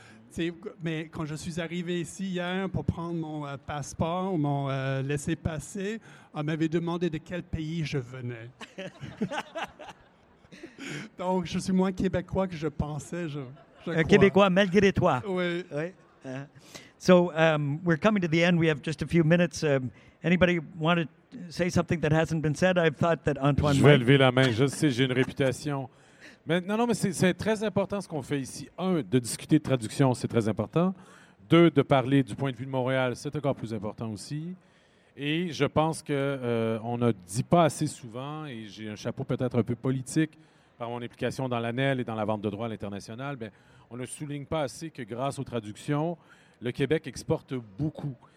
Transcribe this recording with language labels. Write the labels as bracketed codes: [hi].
[fr] T'sais, mais quand je suis arrivé ici hier pour prendre mon passeport ou mon laissez-passer, on m'avait demandé de quel pays je venais. Donc, je suis moins Québécois que je pensais, je crois. Québécois malgré toi. Oui. Oui. [en] So, we're coming to the end. We have just a few minutes. Anybody want to say something that hasn't been said? I've thought that Antoine... [fr] Je vais lever la main. Je sais, j'ai une réputation... Mais c'est très important ce qu'on fait ici. Un, de discuter de traduction, c'est très important. Deux, de parler du point de vue de Montréal, c'est encore plus important aussi. Et je pense qu'on ne dit pas assez souvent, et j'ai un chapeau peut-être un peu politique par mon implication dans l'ANEL et dans la vente de droits à l'international, bien, on ne souligne pas assez que grâce aux traductions, le Québec exporte beaucoup.